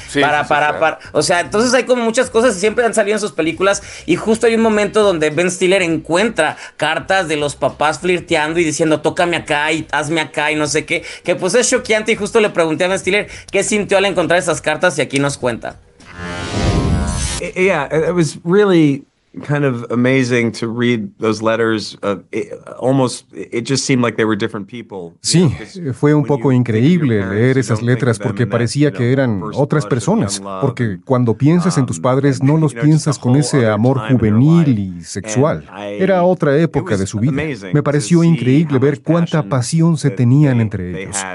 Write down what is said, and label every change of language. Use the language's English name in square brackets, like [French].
[Spanish] Sí, para o sea, entonces hay como muchas cosas y siempre han salido en sus películas, y justo hay un momento donde Ben Stiller encuentra cartas de los papás flirteando y diciendo tócame acá y hazme acá y no sé qué, que pues es choqueante, y justo le pregunté a Ben Stiller qué sintió al encontrar esas cartas, y aquí nos cuenta. [English] Yeah, it was really kind of amazing to read those letters of almost it just seemed like they were different people. [Spanish] Sí, fue un poco increíble leer esas letras porque parecía que eran otras personas, porque cuando piensas en tus padres no los piensas con ese amor juvenil y sexual. Era otra época de su vida. Me pareció increíble ver cuánta pasión se tenían entre ellos.